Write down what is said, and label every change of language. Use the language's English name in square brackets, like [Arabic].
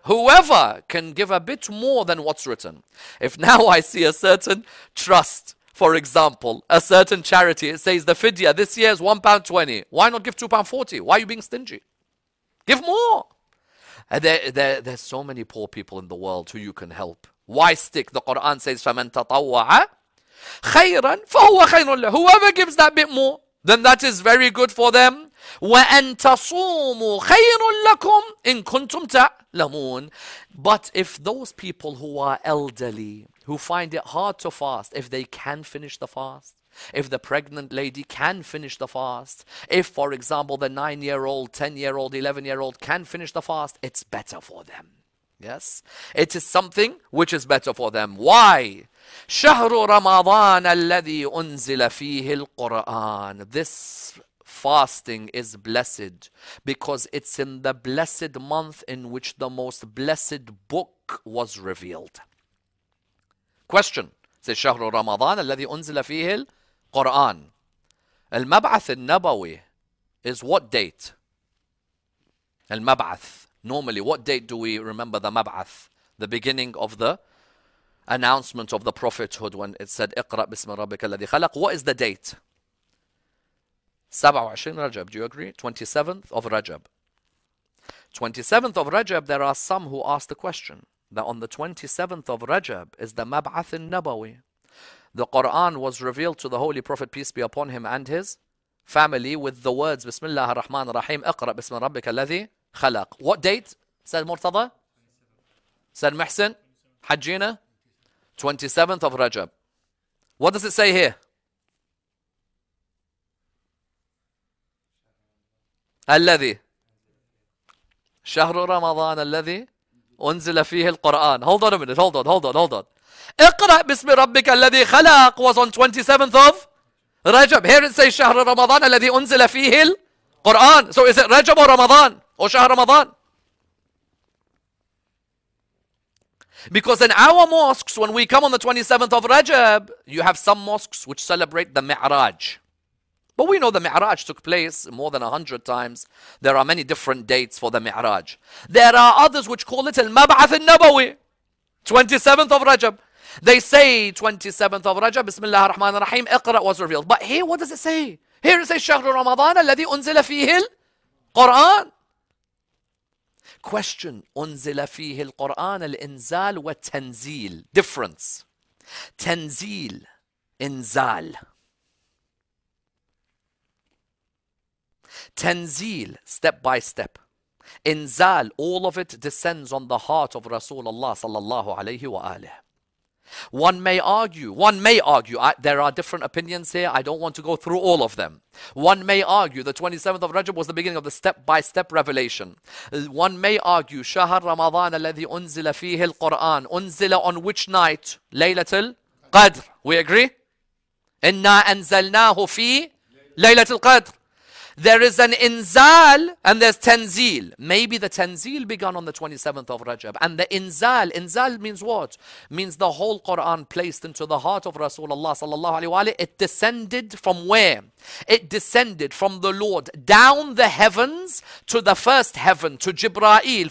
[English] Whoever can give a bit more than what's written. If now I see a certain trust, for example, a certain charity, it says the fidya this year is £1.20. Why not give £2.40? Why are you being stingy? Give more. There's so many poor people in the world who you can help. Why stick? The Quran says, [Arabic] فَمَن تَطَوَّعَ خَيْرًا فَهُوَ خَيْرٌ لَهُ. [English] Whoever gives that bit more, then that is very good for them. [Arabic] وَأَن تَصُومُوا خَيْرٌ لَكُمْ إِن كُنْتُمْ تَعْلَمُونَ. [English] But if those people who are elderly, who find it hard to fast, if they can finish the fast, if the pregnant lady can finish the fast, if, for example, the 9-year-old, 10-year-old, 11-year-old can finish the fast, it's better for them. Yes, it is something which is better for them. Why? [Arabic] شهر رمضان الذي أنزل فيه القرآن. [English] This fasting is blessed because it's in the blessed month in which the most blessed book was revealed. Question. Says [Arabic] شهر رمضان الذي أنزل فيه القرآن. المبعث النبوي [English] is what date? [Arabic] المبعث. [English] Normally, what date do we remember the Mab'ath? The beginning of the announcement of the prophethood when it said, [Arabic] اقرأ بسم ربك الذي خلق. [English] What is the date? 27 Rajab, do you agree? 27th of Rajab. 27th of Rajab, there are some who ask the question that on the 27th of Rajab is the Mab'ath al-Nabawi. The Quran was revealed to the Holy Prophet, peace be upon him and his family, with the words, Bismillah ar-Rahman ar-Rahim, [Arabic] اقرأ بسم ربك الذي خلق. [English] What date? Said Murtada? Said Mahsin? Hajjina? 27th of Rajab. What does it say here? [Arabic] Alladhi. Shahru Ramadan alladhi unzila fihi al-Quran. [English] Hold on a minute. [Arabic] اقرأ باسم ربك الذي خلق [English] was on 27th of Rajab. Here it says [Arabic] شهر رمضان الذي أنزل فيه القرآن. [English] So is it Rajab or Ramadan? [Arabic] Or شهر رمضان? [English] Because in our mosques, when we come on the 27th of Rajab, you have some mosques which celebrate the Mi'raj. But we know the Mi'raj took place more than 100 times. There are many different dates for the Mi'raj. There are others which call it Al-Mab'ath Al-Nabawi, 27th of Rajab. They say 27th of Rajab, Bismillah ar-Rahman ar-Rahim, Iqra was revealed. But here, what does it say? Here it says, [Arabic] شهر رمضان الذي أنزل فيه القرآن. [English] Question, [Arabic] أنزل فيه القرآن الإنزال والتنزيل. [English] Difference. [Arabic] تنزيل, إنزال. [English] تنزيل, step by step. إنزال, all of it descends on the heart of Rasulullah [Arabic] صلى الله عليه وآله. [English] One may argue, there are different opinions here, I don't want to go through all of them. One may argue the 27th of Rajab was the beginning of the step-by-step revelation. One may argue, [Arabic] شهر رمضان الذي أنزل فيه القرآن, أنزل [English] on which night? [Arabic] ليلة القدر. [English] We agree? [Arabic] إنا أنزلناه في ليلة القدر. [English] There is an inzal and there's tanzil. Maybe the tanzil began on the 27th of Rajab. And the inzal, inzal means what? Means the whole Quran placed into the heart of Rasulullah sallallahu alaihi wa alayhi. It descended from where? It descended from the Lord down the heavens to the first heaven, to Jibra'il.